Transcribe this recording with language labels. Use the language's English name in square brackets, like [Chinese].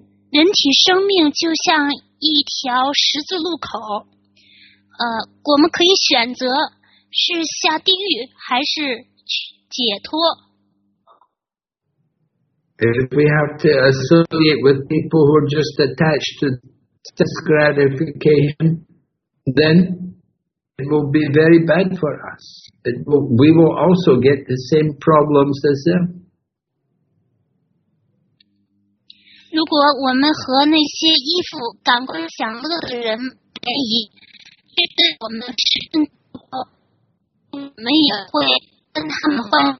[Chinese] 人体生命就像一条十字路口，我们可以选择是下地狱还是解脱。 [English] If we have to associate with people who are just attached to this gratification, then it will be very bad for us. We will also get the same problems as them. [Chinese] 如果我们和那些依附感官享乐的人联谊，这对我们是更好，我们也会。